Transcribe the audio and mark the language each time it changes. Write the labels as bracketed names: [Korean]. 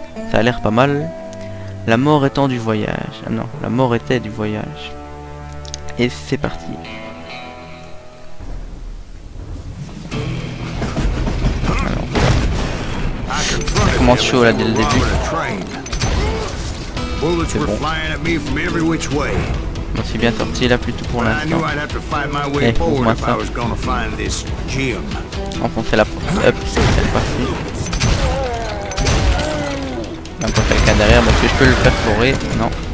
[French] Ça a l'air pas mal. La mort étant du voyage. Ah non, la mort était du voyage. Et c'est parti. Alors, ça commence chaud là dès le début. [English] Bullets were flying at me from every which way. [French] Moi, c'est bien sorti là plutôt pour l'instant. [English] I knew I'd have to fight my way forward if I was gonna find this gym. [French] Enfoncer la porte. Hop, c'est parti. Même pas quelqu'un derrière, parce que je peux le perforer. Non.